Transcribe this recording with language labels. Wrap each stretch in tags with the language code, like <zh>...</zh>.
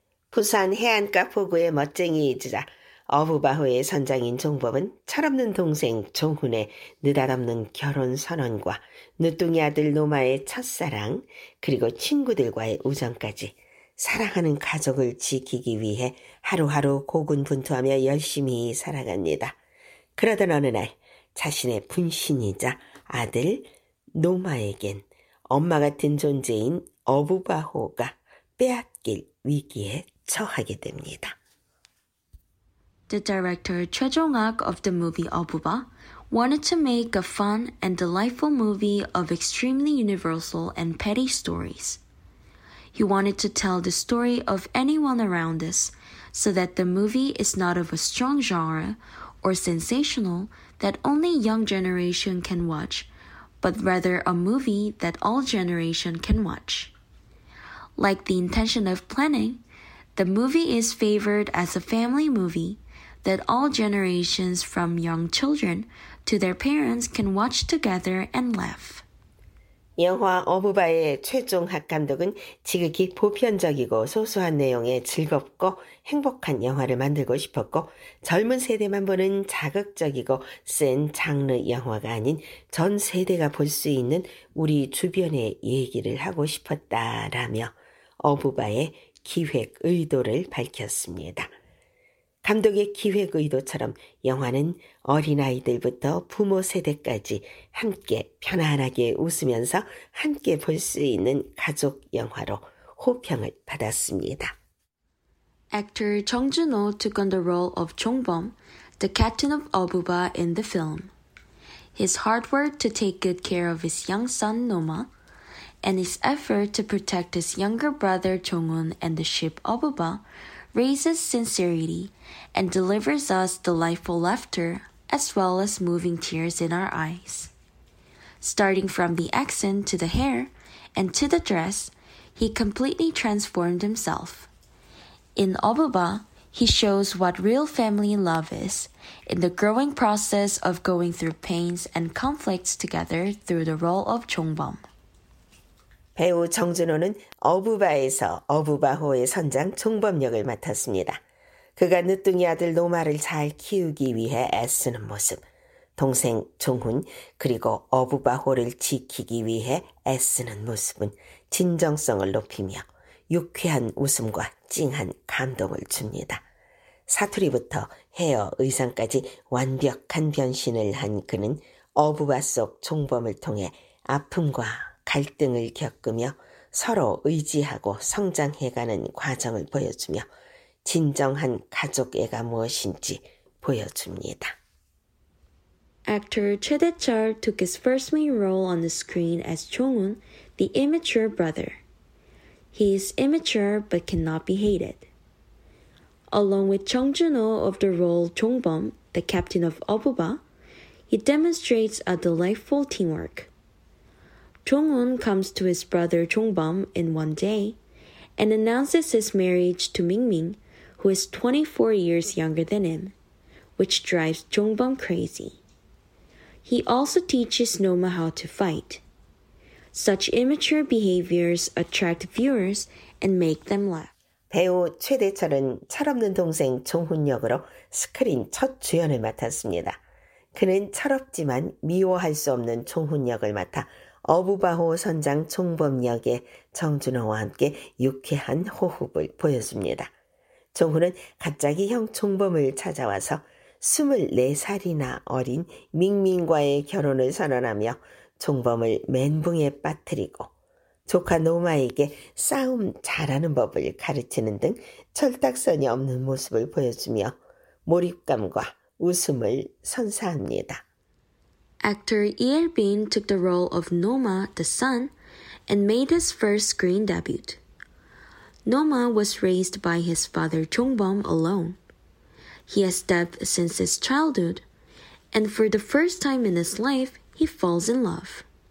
<ko>부산 해안가 포구의 멋쟁이이자 어부바호의 선장인 종범은 철없는 동생 종훈의 느닷없는 결혼 선언과 늦둥이 아들 노마의 첫사랑 그리고 친구들과의 우정까지 사랑하는 가족을 지키기 위해 하루하루 고군분투하며 열심히 살아갑니다. 그러던 어느 날 자신의 분신이자 아들 노마에겐 엄마 같은 존재인 어부바호가 빼앗길 위기에 처하게 됩니다.</ko> <en>The director Choi Jong-ak of the movie Obuba wanted to make a fun and delightful movie of extremely universal and petty stories. He wanted to tell the story of anyone around us so that the movie is not of a strong genre or sensational that only young generation can watch, but rather a movie that all generation can watch. Like the intention of planning, the movie is favored as a family movie that all generations from young children to their parents can watch together and laugh.</en> <ko>영화 어부바의 최종학 감독은 지극히 보편적이고 소소한 내용에 즐겁고 행복한 영화를 만들고 싶었고 젊은 세대만 보는 자극적이고 센 장르 영화가 아닌 전 세대가 볼 수 있는 우리 주변의 얘기를 하고 싶었다라며 어부바의 기획 의도를 밝혔습니다. 감독의 기획 의도처럼 영화는 어린아이들부터 부모 세대까지 함께 편안하게 웃으면서 함께 볼 수 있는 가족 영화로 호평을 받았습니다.</ko> <en>Actor Jung Jun-ho took on the role of Jong-bom, the captain of Obuba in the film. His hard work to take good care of his young son Noma and his effort to protect his younger brother Jong-un and the ship Obuba raises sincerity and delivers us delightful laughter as well as moving tears in our eyes. Starting from the accent to the hair and to the dress, he completely transformed himself. In Obuba, he shows what real family love is in the growing process of going through pains and conflicts together through the role of Jong-bom.</en> <ko>배우 정준호는 어부바에서 어부바호의 선장 종범 역을 맡았습니다. 그가 늦둥이 아들 노마를 잘 키우기 위해 애쓰는 모습, 동생 종훈 그리고 어부바호를 지키기 위해 애쓰는 모습은 진정성을 높이며 유쾌한 웃음과 찡한 감동을 줍니다. 사투리부터 헤어 의상까지 완벽한 변신을 한 그는 어부바 속 종범을 통해 아픔과 갈등을 겪으며 서로 의지하고 성장해가는 과정을 보여주며 진정한 가족애가 무엇인지 보여줍니다.</ko> <en>Actor Choi Dae-chul took his first main role on the screen as Jong-un, the immature brother. He is immature but cannot be hated. Along with Jung Jun-ho of the role Jong-bom, the captain of Obuba, he demonstrates a delightful teamwork. Jong-un comes to his brother Jong-bom in one day and announces his marriage to Ming-ming, who is 24 years younger than him, which drives Jong-bom crazy. He also teaches Noma how to fight. Such immature behaviors attract viewers and make them laugh.</en> <ko>배우 최대철은 철없는 동생 종훈 역으로 스크린 첫 주연을 맡았습니다. 그는 철없지만 미워할 수 없는 종훈 역을 맡아 어부바호 선장 종범 역의 정준호와 함께 유쾌한 호흡을 보여줍니다. 종훈은 갑자기 형 종범을 찾아와서 24살이나 어린 밍밍과의 결혼을 선언하며 종범을 멘붕에 빠뜨리고 조카 노마에게 싸움 잘하는 법을 가르치는 등 철딱선이 없는 모습을 보여주며 몰입감과 웃음을 선사합니다.</ko> <en>Actor Yeol Bin took the role of Noma, the son, and made his first screen debut. Noma was raised by his father Jongbom alone. He has depth since his childhood, and for the first time in his life, he falls in love.</en>